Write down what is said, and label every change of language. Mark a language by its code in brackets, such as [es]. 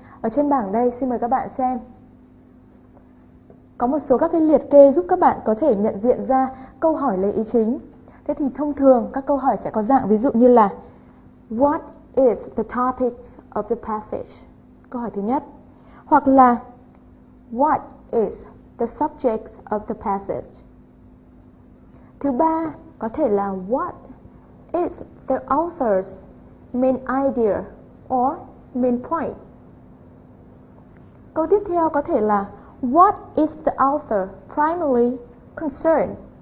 [vi] Ở trên bảng đây, xin mời các bạn xem. Có một số các cái liệt kê giúp các bạn có thể nhận diện ra câu hỏi lấy ý chính. Thế thì thông thường các câu hỏi sẽ có dạng ví dụ như là [en] What is the topic of the passage? [vi] Câu hỏi thứ nhất. Hoặc là [en] What is the subject of the passage? [vi] Thứ ba có thể là [en] What is the author's main idea or main point? [vi] Câu tiếp theo có thể là [en] What is the author primarily concerned?